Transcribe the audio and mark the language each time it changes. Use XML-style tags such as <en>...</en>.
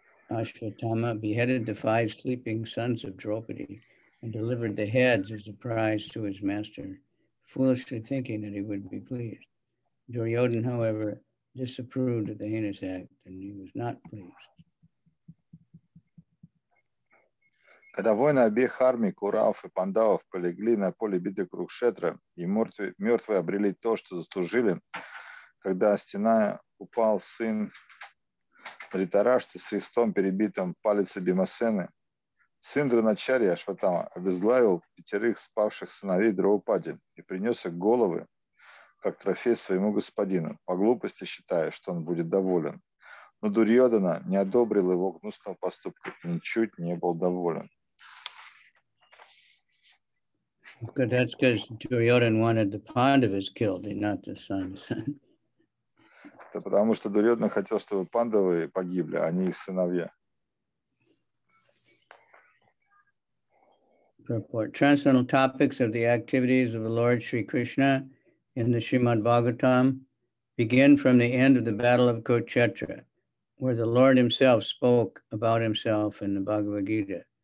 <en>Ashwatthama, beheaded the 5 sleeping sons of Draupadi and delivered the heads as a prize to his master, foolishly thinking that he would be pleased. Duryodhana, however, disapproved of the heinous act, and he was not pleased.</en> <ru>Когда воины обеих армий, Курав и Пандавов, полегли на поле битвы Курукшетра, и мертвые обрели то, что заслужили, когда стена упал сын Дхритарашты с Христом, перебитым палицей Бхимасены, сын Дроначарьи Ашватама обезглавил 5 спавших сыновей Драупади и принес их головы, как трофей своему господину, по глупости считая, что он будет доволен. Но Дурьодана не одобрил его гнусного поступка и ничуть не был доволен.</ru> <en>Okay, that's because Duryodhana wanted the Pandavas killed, not the sons.</en> <ru>Это потому что Дурьодхана хотел, чтобы пандавы погибли, а не их сыновья.</ru> <en>Transcendental topics of the activities of the Lord Sri Krishna in the Srimad Bhagavatam begin from the end of the Battle of Kurukshetra, where the Lord himself spoke about himself in the Bhagavad Gita.</en>